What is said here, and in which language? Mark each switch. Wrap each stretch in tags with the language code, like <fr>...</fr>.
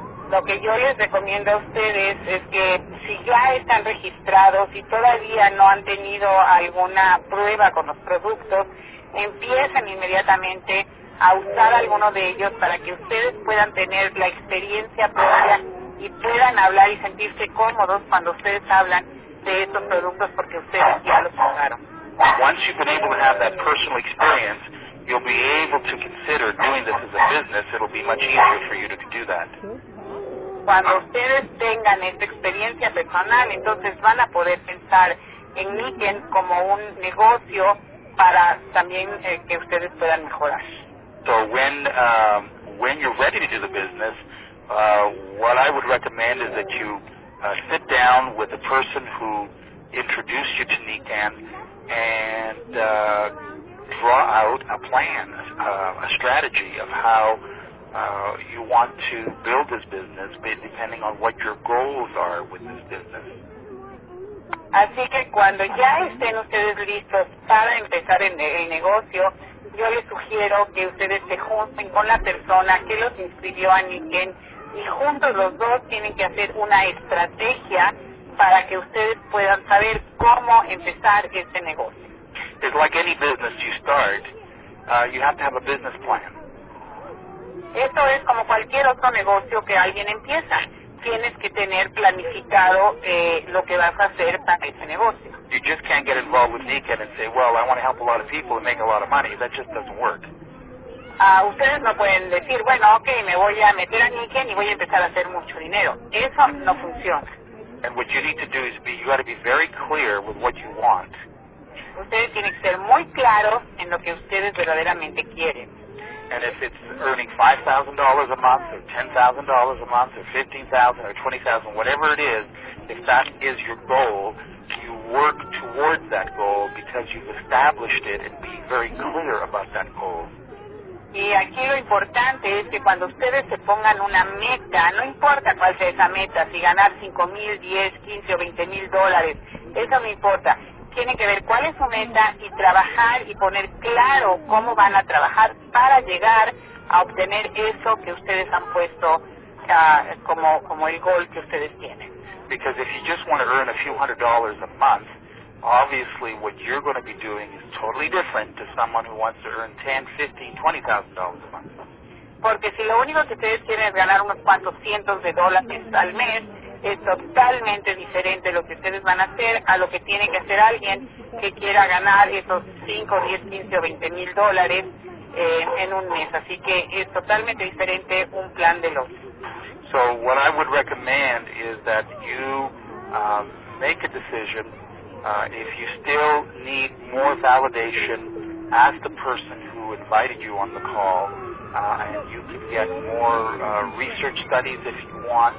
<es>Lo que yo les recomiendo a ustedes es que si ya están registrados y todavía no han tenido alguna prueba con los productos, empiecen inmediatamente a usar alguno de ellos para que ustedes puedan tener la experiencia propia y puedan hablar y sentirse cómodos cuando ustedes hablan de estos productos porque ustedes ya los usaron.</es> <en>Once you've been able to have that personal experience, you'll be able to consider doing this as a business. It'll be much easier for you to do that.</en> <es>Cuando ustedes tengan esta experiencia personal, entonces van a poder pensar en NECAN como un negocio para también que ustedes puedan mejorar.</es> <en>So when you're ready to do the business, what I would recommend is that you sit down with the person who introduced you to NECAN and draw out a plan, a strategy of how you want to build this business, depending on what your goals are with this business.</en> <es>Así que cuando ya estén ustedes listos para empezar en el negocio, yo les sugiero que ustedes se junten con la persona que los inscribió a Niken y juntos los dos tienen que hacer una estrategia para que ustedes puedan saber cómo empezar ese negocio.</es> <en>It's like any business you start, you have to have a business plan.</en> <es>Esto es como cualquier otro negocio que alguien empieza. Tienes que tener planificado lo que vas a hacer para ese negocio.</es> <en>You just can't get involved with Niken and say, well, I want to help a lot of people and make a lot of money. That just doesn't work.</en> <es>Ustedes no pueden decir, bueno, okay, me voy a meter a Niken y voy a empezar a hacer mucho dinero. Eso no funciona.</es> <en>And what you need to do is you got to be very clear with what you want.</en> <es>Ustedes tienen que ser muy claros en lo que ustedes verdaderamente quieren.</es> <en>And if it's earning $5,000 a month, or $10,000 a month, or $15,000, or $20,000, whatever it is, if that is your goal, you work towards that goal because you've established it and be very clear about that goal.</en> <es>Y aquí lo importante es que cuando ustedes se pongan una meta, no importa cuál sea esa meta, si ganar $5,000, $10,000, $15,000 or $20,000, eso no importa. Tiene que ver cuál es su meta y trabajar y poner claro cómo van a trabajar para llegar a obtener eso que ustedes han puesto como el gol que ustedes tienen.</es> <en>Because if you just want to earn a few hundred dollars a month, obviously what you're going to be doing is totally different to someone who wants to earn $10,000, $15,000, $20,000 a month.</en> <es>Porque si lo único que ustedes quieren es ganar unos cuantos cientos de dólares al mes, es totalmente diferente lo que ustedes van a hacer a lo que tiene que hacer alguien que quiera ganar esos 5, 10, 15 o 20 mil dólares en un mes. Así que es totalmente diferente un plan del otro.</es> <en>So what I would recommend is that you make a decision. If you still need more validation, ask the person who invited you on the call and you can get more research studies if you want.</en>